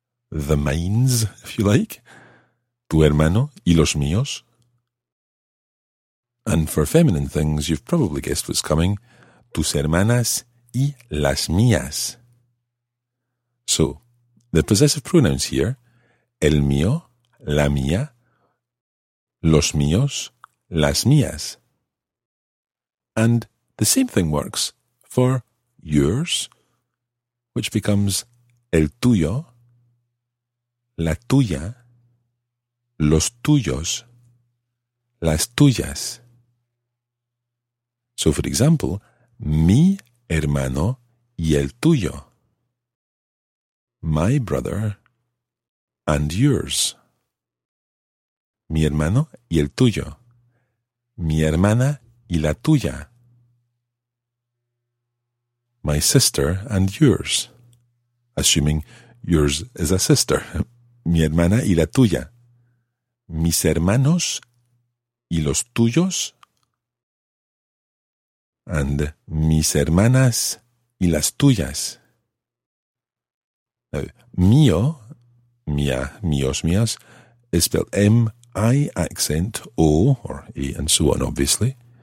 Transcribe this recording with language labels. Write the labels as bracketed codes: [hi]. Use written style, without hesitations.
[en] The mines, if you like. [es] Tu hermano y los míos. [en] And for feminine things, you've probably guessed what's coming. [es] Tus hermanas y las mías. [en] So, the possessive pronouns here. [es] El mío, la mía, los míos, las mías. [en] And the same thing works for yours, which becomes [es] el tuyo, la tuya, los tuyos, las tuyas. [en] So, for example, [es] mi hermano y el tuyo. [en] My brother and yours. [es] Mi hermano y el tuyo. Mi hermana y la tuya. [en] My sister and yours. Assuming yours is a sister. [es] Mi hermana y la tuya. Mis hermanos y los tuyos. [en] and [es] mis hermanas y las tuyas. [en] Mío, mía, míos, mías, is spelled M-I accent O, or E and so on, obviously.